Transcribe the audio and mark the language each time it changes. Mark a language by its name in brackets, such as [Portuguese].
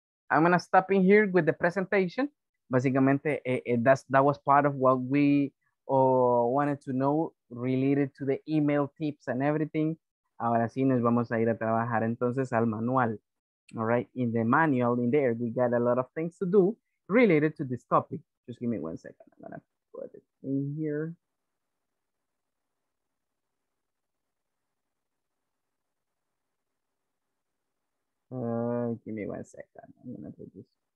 [English] I'm going to stop in here with the presentation. Básicamente, that was part of what we wanted to know related to the email tips and everything. [Spanish] Ahora sí nos vamos a ir a trabajar entonces al manual. [English] All right, in the manual, in there, we got a lot of things to do related to this topic. Just give me 1 second. I'm gonna put it in here. Give me 1 second. I'm gonna put this.